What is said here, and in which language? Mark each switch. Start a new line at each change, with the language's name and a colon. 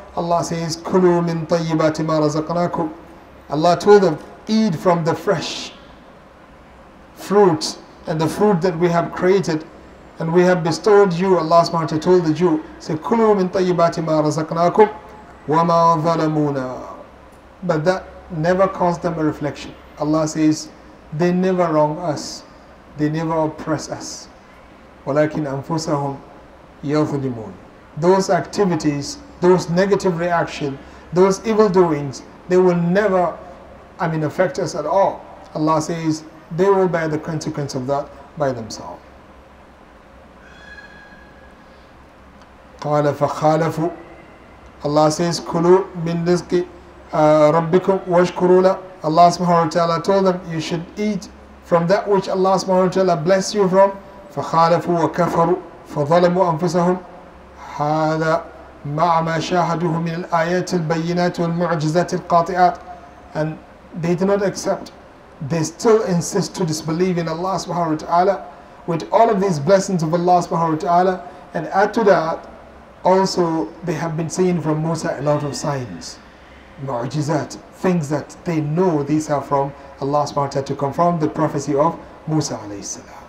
English: Allah says,
Arabic: كُلُوا مِن طَيِّبَاتِ مَا رَزَقْنَاكُمْ.
English: Allah told them, eat from the fresh fruit and the food that we have created and we have bestowed you. Allah subhanahu wa ta'ala told the Jew, say,
Arabic: كُلُوا مِن طَيِّبَاتِ مَا رَزَقْنَاكُمْ وَمَا ظَلَمُونَا.
English: But that never caused them a reflection. Allah says, they never wrong us. They never oppress us.
Arabic: وَلَكِنْ أَنفُسَهُمْ يَظْلِمُونَ.
English: Those activities, those negative reactions, those evil doings, they will never, affect us at all. Allah says, they will bear the consequence of that by themselves.
Arabic: قال فخالفوا.
English: Allah says
Arabic: كلوا من رزق ربكم واشكروا له.
English: Allah subhanahu wa ta'ala told them you should eat from that which Allah subhanahu wa ta'ala blessed you from.
Arabic: فخالفوا وكفروا فظلموا أنفسهم. هذا مع ما شاهدوه من الآيات البينات والمعجزات القاطعات.
English: And they did not accept. They still insist to disbelieve in Allah subhanahu wa ta'ala with all of these blessings of Allah subhanahu wa ta'ala. And add to that, also they have been seeing from Musa a lot of signs, mu'jizat, things that they know these are from Allah subhanahu wa ta'ala to confirm the prophecy of Musa alayhi salam.